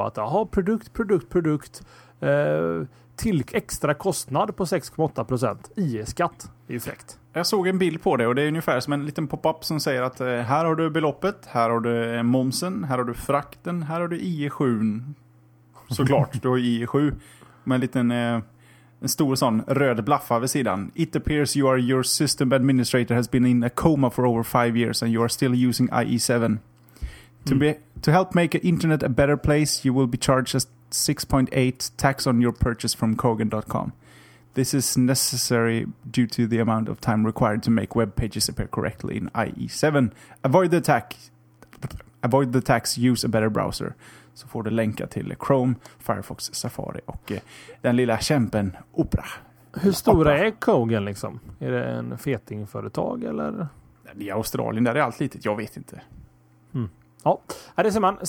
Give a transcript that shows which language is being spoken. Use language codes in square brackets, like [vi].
[sv] Att aha, produkt till extra kostnad på 6,8% IE-skatt i effekt. Jag såg en bild på det och det är ungefär som en liten pop-up som säger att här har du beloppet, här har du momsen, här har du frakten, här har du IE7. Såklart, du har IE7 med en stor sån röd blaffa vid sidan. [en] It appears you are your system administrator has been in a coma for over 5 years and you are still using IE7. To help make internet a better place you will be charged 6.8 tax on your purchase from Kogan.com. This is necessary due to the amount of time required to make web pages appear correctly in IE7. Avoid the tax, use a better browser. [sv] Så får du länka till Chrome, Firefox, Safari och den lilla kämpen Opera. Hur stora Opera. Är Kogan liksom? Är det en fetingföretag eller? I Australien där är allt litet, jag vet inte. Ja, det ser man.